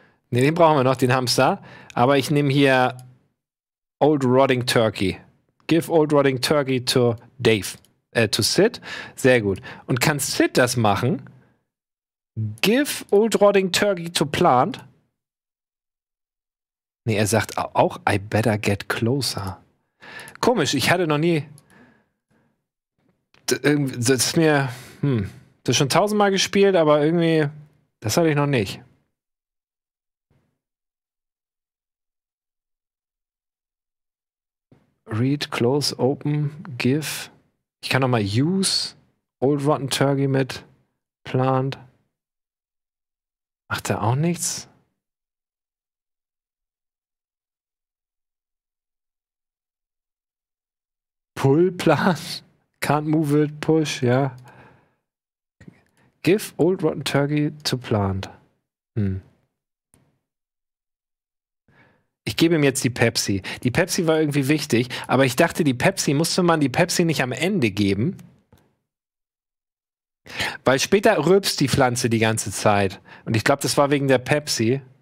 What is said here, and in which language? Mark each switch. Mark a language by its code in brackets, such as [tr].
[de] Ne, den brauchen wir noch, den Hamster. Aber ich nehme hier Old Rotting Turkey. [en] Give Old Rotting Turkey to Dave. To Sid. [de] Sehr gut. Und kann Sid das machen? [en] Give Old Rotting Turkey to Plant. [de] Nee, er sagt auch, [en] I better get closer. [de] Komisch, ich hatte noch nie. Das ist mir. Das ist schon tausendmal gespielt, aber irgendwie. Das hatte ich noch nicht. [en] Read, close, open, give. [de] Ich kann noch mal use Old Rotten Turkey mit plant. Macht er auch nichts? [en] Pull plant. Can't move it, push, [de] ja. [en] Yeah. Give Old Rotten Turkey to plant. Hm. [de] Ich gebe ihm jetzt die Pepsi. Die Pepsi war irgendwie wichtig, aber ich dachte, die Pepsi, musste man die Pepsi nicht am Ende geben? Weil später rülpst die Pflanze die ganze Zeit. Und ich glaube, das war wegen der Pepsi.